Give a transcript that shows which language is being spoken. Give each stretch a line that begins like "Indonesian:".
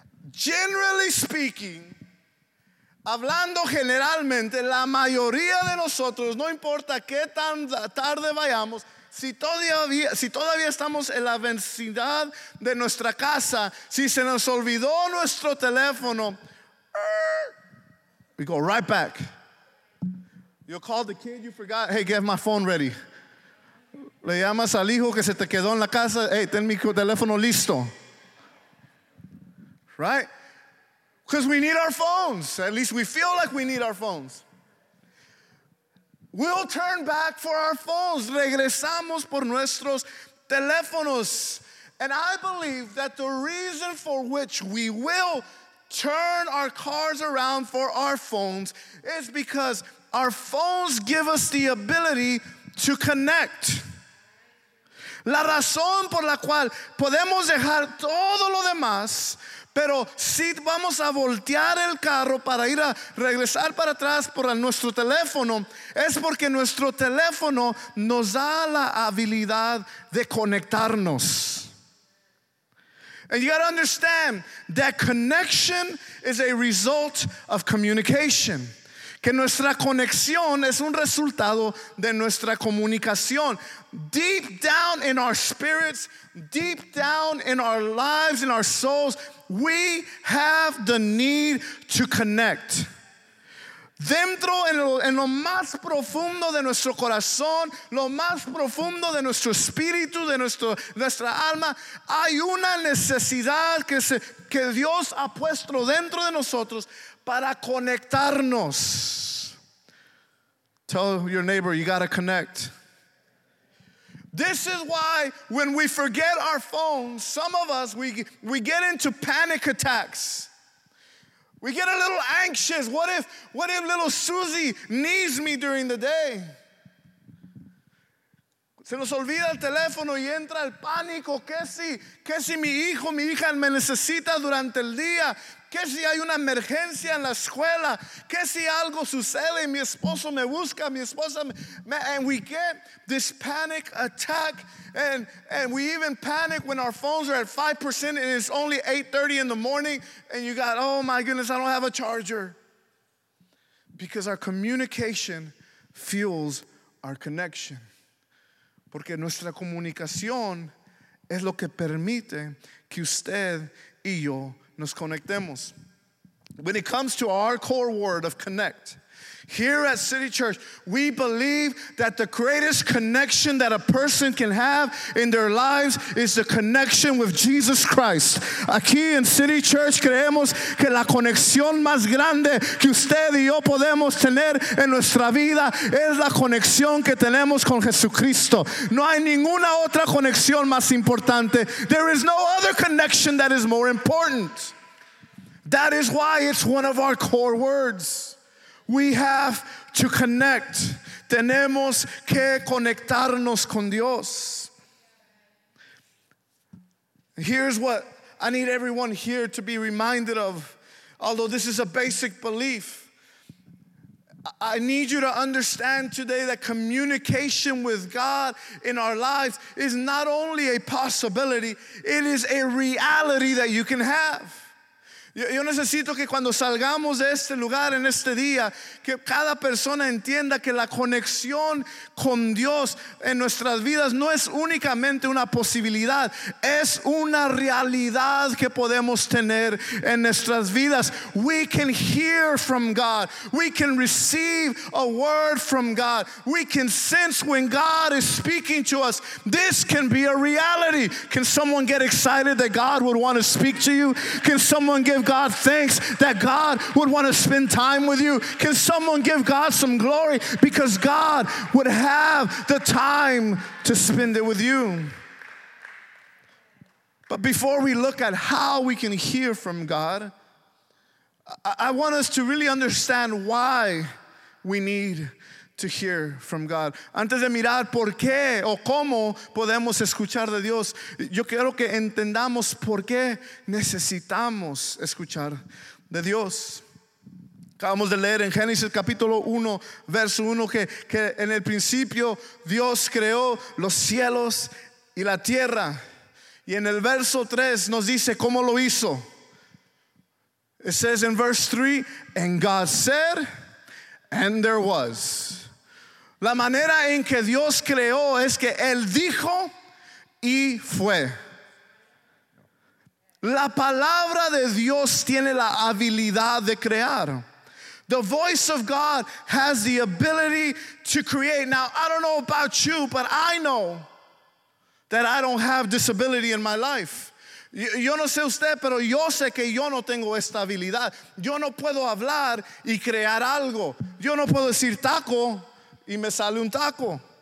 English: Generally speaking,
Spanish: hablando generalmente, la mayoría de nosotros, no importa qué tan tarde vayamos, si todavía estamos en la vecindad de nuestra casa, si se nos olvidó nuestro teléfono,
English: we go right back. You call the kid, you forgot, hey, get my phone ready.
Spanish: Le llamas al hijo que se te quedó en la casa, hey, ten mi teléfono listo. Right?
English: Because we need our phones. At least we feel like we need our phones. We'll turn back for our phones.
Spanish: Regresamos por nuestros teléfonos.
English: And I believe that the reason for which we will turn our cars around for our phones is because our phones give us the ability to connect.
Spanish: La razón por la cual podemos dejar todo lo demás, pero si vamos a voltear el carro para ir a regresar para atrás por nuestro teléfono, es porque nuestro teléfono nos da la habilidad de conectarnos.
English: And you got to understand that connection is a result of communication.
Spanish: Que nuestra conexión es un resultado de nuestra comunicación.
English: Deep down in our spirits, deep down in our lives, in our souls, we have the need to connect.
Spanish: Dentro, en lo más profundo de nuestro corazón, lo más profundo de nuestro espíritu, de nuestra alma, hay una necesidad que Dios ha puesto dentro de nosotros para conectarnos.
English: Tell your neighbor, you got to connect. This is why when we forget our phones, some of us, we get into panic attacks. We get a little anxious. What if little Susie needs me during the day?
Spanish: Se nos olvida el teléfono y entra el pánico. ¿Qué si mi hijo, mi hija me necesita durante el día? ¿Qué si hay una emergencia en la escuela? ¿Qué si algo sucede y mi esposo me busca, mi esposa?
English: And we get this panic attack, and we even panic when our phones are at 5% and it's only 8:30 in the morning, and you got, oh my goodness, I don't have a charger. Because our communication fuels our connection.
Spanish: Porque nuestra comunicación es lo que permite que usted y yo nos conectemos.
English: When it comes to our core word of connect, here at City Church, we believe that the greatest connection that a person can have in their lives is the connection with Jesus Christ.
Spanish: Aquí en City Church creemos que la conexión más grande que usted y yo podemos tener en nuestra vida es la conexión que tenemos con Jesucristo. No hay ninguna otra conexión más importante.
English: There is no other connection that is more important. That is why it's one of our core words. We have to connect.
Spanish: Tenemos que conectarnos con Dios.
English: Here's what I need everyone here to be reminded of. Although this is a basic belief, I need you to understand today that communication with God in our lives is not only a possibility, it is a reality that you can have. Yo necesito que cuando salgamos de este lugar en este día, que cada persona entienda que la conexión con Dios en nuestras vidas no es únicamente una posibilidad, es una realidad que podemos tener en nuestras vidas. We can hear from God. We can receive a word from God. We can sense when God is speaking to us. This can be a reality. Can someone get excited that God would want to speak to you? Can someone give God thanks that God would want to spend time with you? Can someone give God some glory because God would have the time to spend it with you? But before we look at how we can hear from God, I want us to really understand why we need to hear from God.
Spanish: Antes de mirar por qué o cómo podemos escuchar de Dios, yo quiero que entendamos por qué necesitamos escuchar de Dios. Acabamos de leer en Génesis capítulo 1, verso 1, que en el principio Dios creó los cielos y la tierra. Y en el verso 3 nos dice cómo lo hizo.
English: It says in verse 3, and God said, and there was.
Spanish: La manera en que Dios creó es que Él dijo y fue. La palabra de Dios tiene la habilidad de crear.
English: The voice of God has the ability to create. Now, I don't know about you, but I know that I don't have this ability in my life.
Spanish: Yo no sé usted, pero yo sé que yo no tengo estabilidad. Yo no puedo hablar y crear algo. Yo no puedo decir taco y me sale un taco.